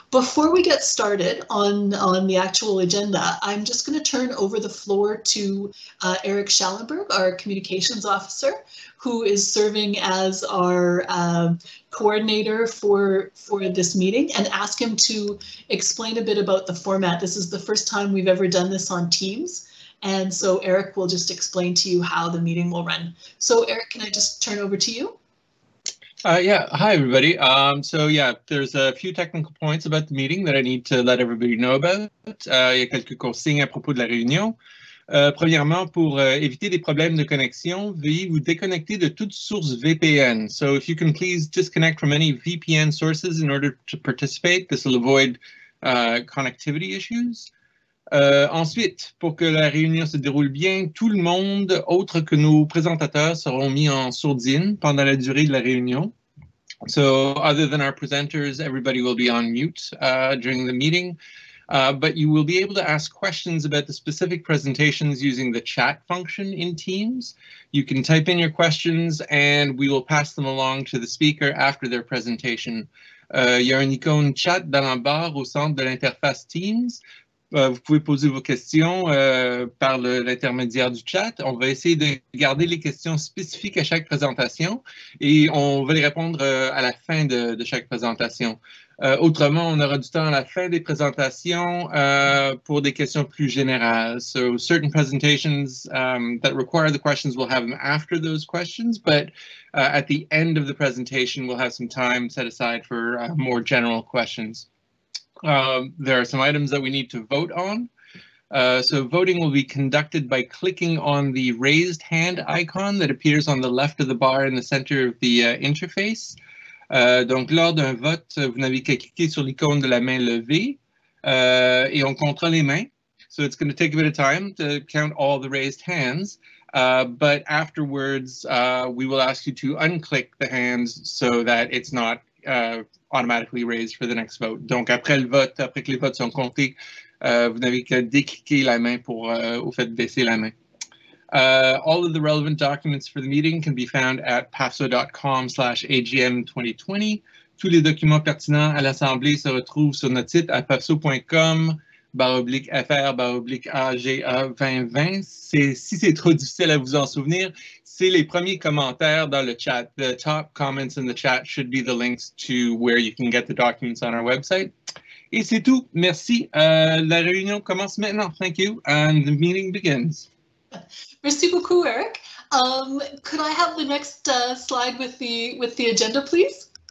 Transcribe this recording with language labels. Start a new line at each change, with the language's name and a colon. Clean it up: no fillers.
English: Before we get started on the actual agenda, I'm just going to turn over the floor to Eric Schallenberg, our communications officer, who is serving as our coordinator for this meeting, and ask him to explain a bit about the format. This is the first time we've ever done this on Teams, and so Eric will just explain to you how the meeting will run. So Eric, can I just turn over to you? Hi everybody. There's a few technical points about the meeting that I need to let everybody know about.
French: Il y a quelques consignes à propos de la réunion. Premièrement, pour éviter des problèmes de connexion, veuillez vous déconnecter de toute source VPN.
English: So if you can please disconnect from any VPN sources in order to participate, this will avoid connectivity issues.
French: Ensuite, pour que la réunion se déroule bien, tout le monde, autre que nos présentateurs, seront mis en sourdine pendant la durée de la réunion.
English: So, other than our presenters, everybody will be on mute during the meeting. But you will be able to ask questions about the specific presentations using the chat function in Teams. You can type in your questions and we will pass them along to the speaker after their presentation.
French: Il y a une icône chat dans la barre au centre de l'interface Teams. Vous pouvez poser vos questions par l'intermédiaire du chat. On va essayer de garder les questions spécifiques à chaque présentation et on va les répondre à la fin de chaque présentation. Autrement, on aura du temps à la fin des présentations pour des questions plus générales.
English: So certain presentations that require the questions, we'll have them after those questions, but at the end of the presentation, we'll have some time set aside for more general questions. There are some items that we need to vote on. So voting will be conducted by clicking on the raised hand icon that appears on the left of the bar in the center of the interface.
French: Donc lors d'un vote, vous n'avez qu'à cliquer sur l'icône de la main levée et on comptera les mains.
English: So it's going to take a bit of time to count all the raised hands. But afterwards, we will ask you to unclick the hands so that it's not automatically raised for the next vote.
French: Donc après le vote, après que les votes sont comptés, vous n'avez qu'à décliquer la main pour au fait baisser la main.
English: All of the relevant documents for the meeting can be found at PAFSO.com/AGM2020.
French: Tous les documents pertinents à l'Assemblée se retrouvent sur notre site à PAFSO.com/FR/AGA2020. Si c'est trop difficile à vous en souvenir, c'est les premiers commentaires dans le chat.
English: The top comments in the chat should be the links to where you can get the documents on our website.
French: Et c'est tout. Merci. La réunion commence maintenant.
English: Thank you. And the meeting begins.
French: Merci beaucoup, Eric.
English: Could I have the next slide with the agenda, please?